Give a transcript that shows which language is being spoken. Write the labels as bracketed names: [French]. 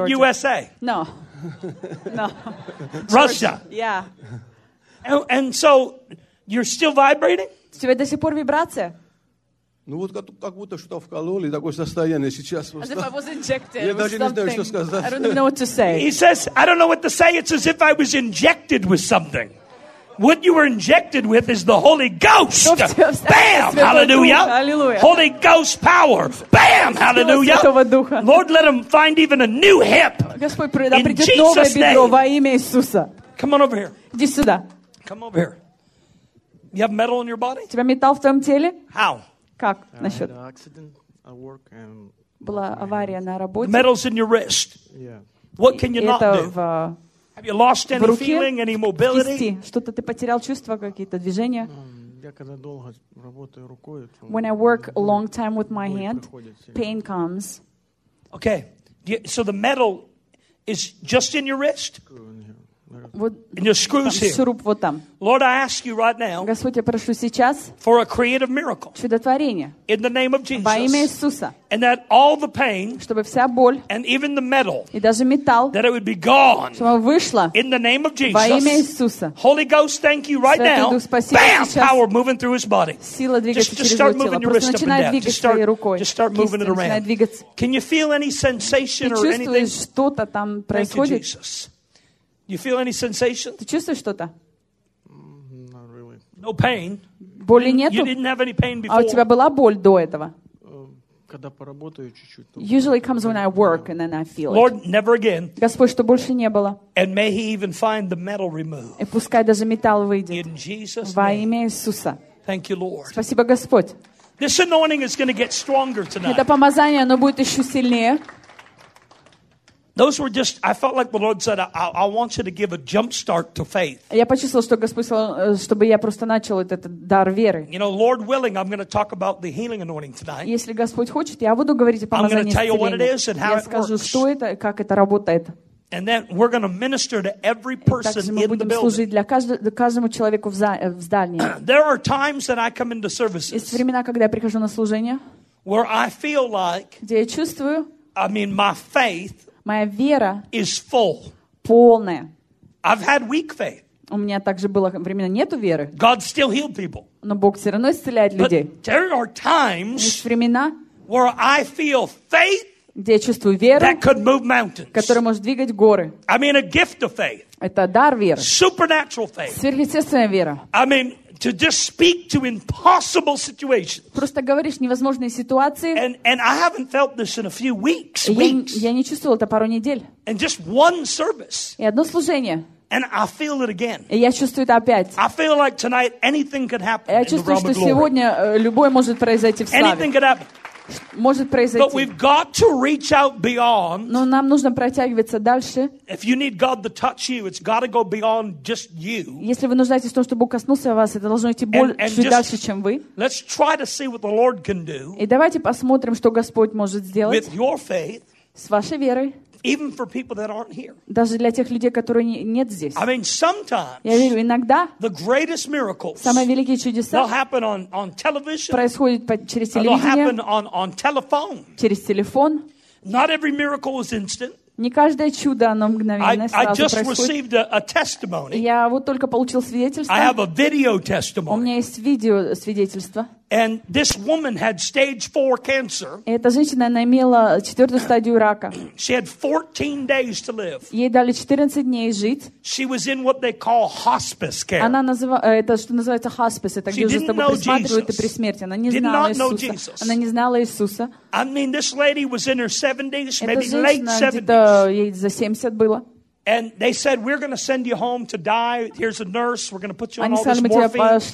[English] Not USA. No. No. Russia. Yeah. And so you're still vibrating? [Russian] У тебя до сих пор вибрация? Ну вот как будто что-то вкололи, такое состояние сейчас. [English] As if I was injected. [Russian] Я даже не знаю, что сказать. [English] I don't know what to say. He says, I don't know what to say. It's as if I was injected with something. What you were injected with is the Holy Ghost. Bam! Hallelujah! Holy Ghost power. Bam! Hallelujah! Lord, let him find even a new hip. In Jesus' name. Come on over here. [Russian] Иди сюда. [English] Come over here. You have metal in your body? [Russian] У тебя металл в твоем теле? [English] How? [Russian] Как насчет? [English] Accident at work and. [Russian] Была авария на работе. [English] The metal's in your wrist. Yeah. What can you not do? [Russian] В, [English] have you lost any feeling, any mobility? [Russian] Что-то ты потерял чувства, какие-то движения? Я когда долго работаю рукой, то. [English] When I work a long time with my hand, pain comes. Okay. So the metal is just in your wrist? [Russian] Вот, [English] and your screws [Russian] там, [English] here. [Russian] Вот там. [English] Lord, I ask you right now. [Russian] Господь, я прошу сейчас. [English] For a creative miracle. [Russian] Чудотворение. [English] In the name of Jesus. [Russian] Во имя Иисуса. [English] And that all the pain. [Russian] Чтобы вся боль. [English] And even the metal. [Russian] И даже металл. [English] That it would be gone. [Russian] Чтобы вышло. [English] In the name of Jesus. [Russian] Во имя Иисуса. [English] Holy Ghost, thank you right [Russian] Святый [English] now. [Russian] Дух, спасибо, [English] bam! [Russian] Сейчас. [English] Power moving through his body. [Russian] Сила двигается [English] just [Russian] через его тело. Просто начинай двигать своей рукой. [English] Just start moving it around. [Russian] Начинай двигаться. [English] Can you feel any sensation or anything? [Russian] Ты чувствуешь, что-то там происходит? [English] Thank you, Jesus. You feel any sensation? [Russian] Ты чувствуешь что-то? [English] Not really. No pain. [Russian] Боли нету? [English] You didn't have any pain before. [Russian] А у тебя была боль до этого? Когда поработаю чуть-чуть. [English] Usually comes when I work and then I feel Lord, it. Lord, never again. [Russian] Господь, что больше не было. [English] And may he even find the metal removed. [Russian] И пускай даже металл выйдет. [English] In Jesus' name. [Russian] Во имя Иисуса. [English] Thank you, Lord. [Russian] Спасибо, Господь. [English] This anointing is going to get stronger tonight. [Russian] Это помазание, оно будет еще сильнее. [English] Those were just, I felt like the Lord said, I want you to give a jump start to faith. [Russian] Я почувствовал, что Господь сказал, чтобы я просто начал этот дар веры. [English] You know, Lord willing, I'm going to talk about the healing anointing tonight. [Russian] Если Господь хочет, я буду говорить о помазании исцеления. [English] I'm going to tell you what it is and how it works. [Russian] Я скажу, что это, как это работает. [English] And then we're going to minister to every person in the building. [Russian] Так мы будем служить для каждому человеку в здании. [English] There are times that I come into services. [Russian] Есть времена, когда я прихожу на служение. [English] Where I feel like. [Russian] Где я чувствую. [English] I mean, my faith. [Russian] Моя вера [English] is full. [Russian] Полная. [English] I've had weak faith. [Russian] У меня также было времена нету веры. [English] God still healed people. [Russian] Но Бог все равно исцеляет людей. [English] But there are times. [Russian] Есть времена. [English] Where I feel faith. [Russian] Где я чувствую веру, [English] that could move mountains. [Russian] Которая может двигать горы. [English] I mean, a gift of faith. [Russian] Это дар веры. [English] Supernatural faith. [Russian] Сверхъестественная вера. [English] I mean, to just speak to impossible situations. [Russian] Просто говоришь невозможные ситуации. [English] And I haven't felt this in a few weeks. [Russian] Я не чувствовал это пару недель. [English] And just one service. [Russian] И одно служение. [English] And I feel it again. [Russian] И я чувствую это опять. [English] I feel like tonight anything could happen. [Russian] Я чувствую, что сегодня любое может произойти в славе. [English] Anything could happen. [Russian] Может произойти. [English] But we've got to reach out beyond. [Russian] Но нам нужно протягиваться дальше. [English] If you need God to touch you, it's got to go beyond just you. [Russian] Если вы нуждаетесь в том, чтобы Бог коснулся вас, это должно идти чуть дальше, чем вы. [English] Let's try to see what the Lord can do. [Russian] И давайте посмотрим, что Господь может сделать. [English] With your faith. [Russian] С вашей верой. [English] Even for people that aren't here. [Russian] Даже для тех людей, которые нет здесь. [English] I mean, sometimes. [Russian] Я верю, иногда. [English] The greatest miracles. [Russian] Самые великие чудеса. [English] They'll happen on television. [Russian] Происходит через телевидение. [English] They'll happen on telephone. [Russian] Через телефон. [English] Not every miracle is instant. [Russian] Не каждое чудо, оно мгновенное, сразу происходит. [English] I just received a testimony. [Russian] Я вот только получил свидетельство. [English] I have a video testimony. [Russian] У меня есть видео свидетельство. [English] And this woman had stage 4 cancer. [Russian] Эта женщина, она имела четвертую стадию рака. [English] She had 14 days to live. [Russian] Ей дали 14 дней жить. [English] She was in what they call hospice care. [Russian] Она это что называется хоспис, это где уже с тобой присматривают и при смерти. Она не знала Иисуса. Она не знала Иисуса. [English] I mean, this lady was in her 70s, maybe late [Russian] 70s. Ей за 70 было. [English] And they said, we're going to send you home to die. Here's a nurse. We're going to put you on all this